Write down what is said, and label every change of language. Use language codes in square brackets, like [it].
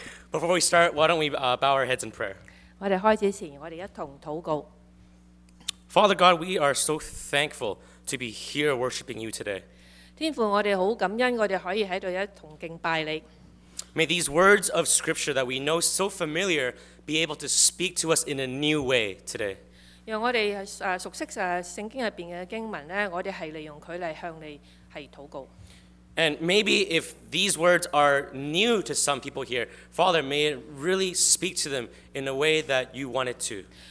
[en] Before we start, why don't we bow our heads in prayer? [zh] 我们开始前,我们一同祷告。 [en] Father God, we are so thankful to be here worshiping you today. [zh] 天父,我们很感恩,我们可以在这里一同敬拜你。 [en] May these words of scripture that we know so familiar be able to speak to us in a new way today. [zh] 让我们熟悉圣经里面的经文,我们是利用它来向你祷告。 [en] And maybe if these words are new to some people here, Father, may it really speak to them in a way that you want it to.